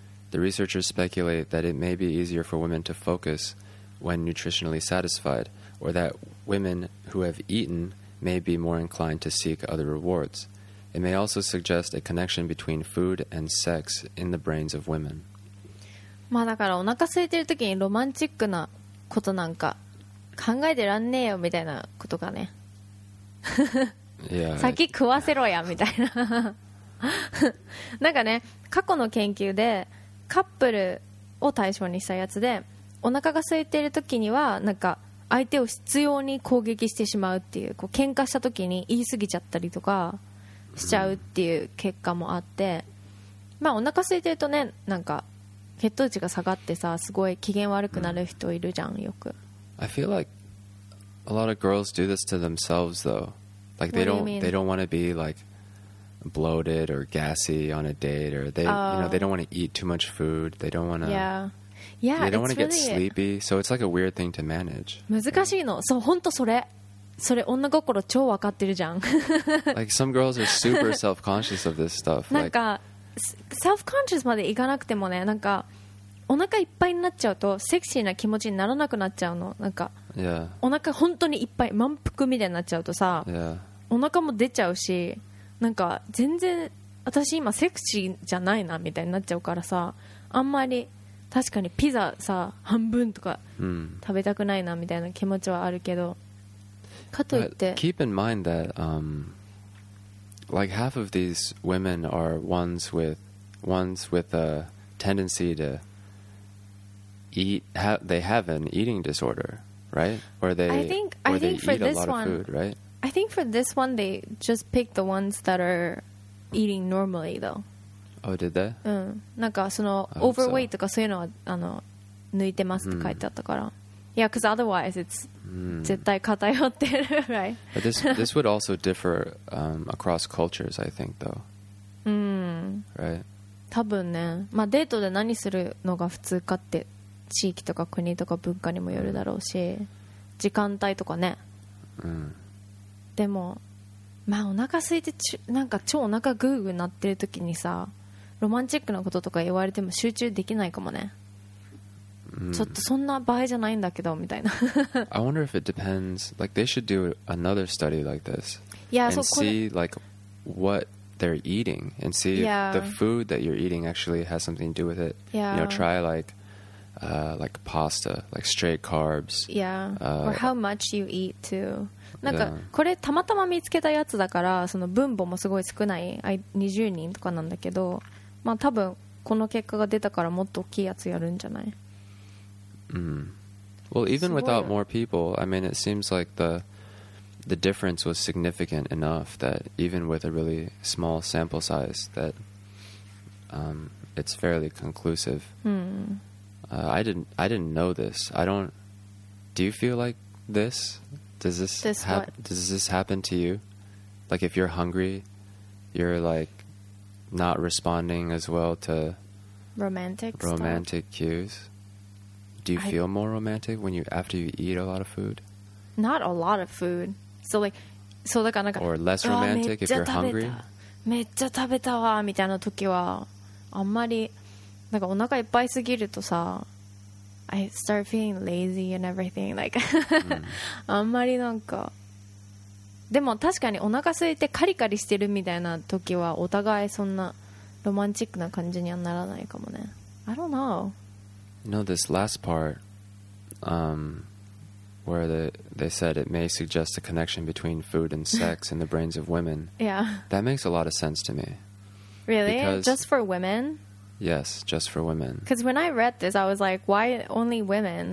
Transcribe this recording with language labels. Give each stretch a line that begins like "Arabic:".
English: The researchers speculate that it may be easier for women to focus when nutritionally satisfied, or that women who have eaten may be more inclined to seek other rewards. It may also suggest a connection between food and sex in the brains of women.
Japanese: まあ、だからお腹空いてる時にロマンチックなことなんか考えてらんねえよみたいなことかね。
English: yeah.
Japanese: 先食わせろやみたいな。なんかね、過去の研究でカップルを対象にしたやつで、お腹が空いてる時にはなんか相手を執拗に攻撃してしまうっていう、こう喧嘩した時に言い過ぎちゃったりとかしちゃうっていう結果もあって、まあお腹空いてるとね、なんか血糖値が下がってさ、すごい機嫌悪くなる人いるじゃん、よく。
English: I feel like a lot of girls do this to themselves though. Like they don't want to be like bloated or gassy on a date, or they, you know, they don't want to eat too much food. They don't want to. Yeah. They don't want to get sleepy. So it's like a weird thing to manage.
Japanese: 難しいの。そう、本当それ。それ女心超わかってるじゃん。
English: Like some girls are super self-conscious of this stuff.
Japanese: なんか。self-conscious までいかなくてもね、なんかお腹いっぱいになっちゃうとセクシーな気持ちにならなくなっちゃうの。なんか、
English: yeah.
Japanese: お腹本当にいっぱい満腹みたいになっちゃうとさ、
English: yeah.
Japanese: お腹も出ちゃうし、なんか全然私今セクシーじゃないなみたいになっちゃうからさ、あんまり確かにピザさ半分とか食べたくないなみたいな気持ちはあるけど、かといって、
English: keep in mind that like half of these women are ones with a tendency to eat. They have an eating disorder, right? Or they. I think for this one, food, right? I think for this one, they just picked the ones that are eating normally, though. Oh, did they?
Japanese: なんかその overweight とかそういうのはあの抜いてますって書いてあったから。
English: Yeah, because otherwise it's
Japanese: 絶対偏ってる、
English: right? But this would also differ across cultures, I think, though. Right?
Japanese: 多分ね、まあデートで何するのが普通かって地域とか国とか文化にもよるだろうし、時間帯とかね。でも、まあお腹空いてなんか超お腹グーグーなってる時にさ、ロマンチックなこととか言われても集中できないかもね。ちょっとそんな場合じゃないんだけどみたいな。
English: I wonder if it depends. Like they should do another study like this. Yeah, and see like what they're eating and see if the food that you're eating actually has something to do with it. Yeah. You know, try like pasta, like straight carbs. Yeah. Or how much you eat too.
Japanese: なんかこれたまたま見つけたやつだから、その分母もすごい少ない、20人とかなんだけど、まあ多分この結果が出たからもっと大きいやつやるんじゃない。
English: Well, even without more people, I mean, it seems like the difference was significant enough that even with a really small sample size, that it's fairly conclusive. I didn't know this. Do you feel like this? Does this happen to you? Like if you're hungry, you're like not responding as well to romantic cues. Do you feel more romantic when you after you eat a lot of food? Not a lot of food. So like
Japanese: そうだからなんか、
English: or less romantic if you're hungry.
Japanese: めっちゃ食べたわみたいな時はあんまりなんかお腹いっぱいすぎるとさ、
English: I start feeling lazy and everything.
Japanese: Like, あんまりなんか、でも確かにお腹空いてカリカリしてるみたいな時はお互いそんなロマンチックな感じにはならないかもね。
English: I don't know. You know this last part, where they said it may suggest a connection between food and sex in the brains of women. Yeah. That makes a lot of sense to me. Really? Because just for women? Yes, just for women. Because when I read this, I was like, why only women?